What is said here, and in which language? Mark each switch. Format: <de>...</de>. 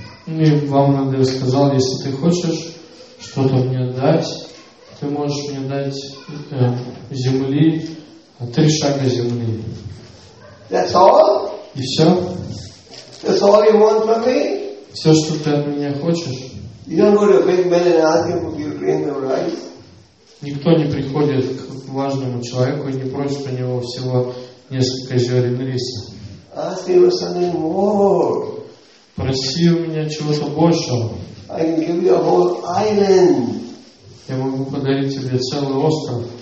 <ru>И Вамадев сказал, если ты хочешь что-то мне дать, ты можешь мне дать земли, три шага земли.</ru> <en>That's all?</en> <ru>И все?</ru> <en>That's all you want from me?</en> <ru>Все, что ты от меня хочешь?</ru> <en>You don't go to a big man and ask him for your grain of rice?</en> <ru>Никто не приходит к важному человеку и не просит у него всего несколько зерен риса.</ru> <en>Ask him for something more.</en> <ru>Проси у меня чего-то большего.</ru> <en>I can give you a whole island.</en> <ru>Я могу подарить тебе целый остров.</ru>